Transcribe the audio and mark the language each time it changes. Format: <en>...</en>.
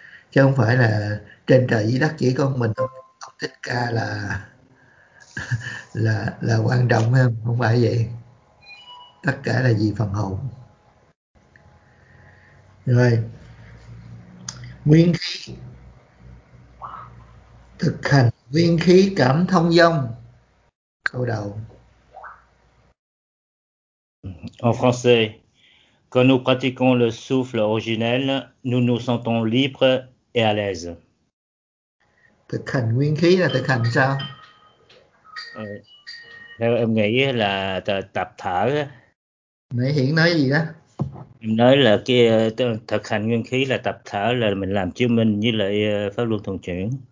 <vi>Chứ không phải là trên trời dưới đất chỉ có mình ông Thích Ca là quan trọng, không phải vậy. Tất cả là vì phần hồn. Rồi. Nguyên khí, thực hành nguyên khí cảm thông dông. Câu đầu.</vi> <fr>En français, quand nous pratiquons le souffle originel, nous nous sentons libres et à l'aise.</fr> <vi>Thực hành nguyên khí là thực hành sao? Theo em nghĩ là tập thở. Nãy Hiển nói gì đó? Em nói là cái thực hành nguyên khí là tập thở, là mình làm chứng minh với lại Pháp Luân Thường Chuyển.</vi>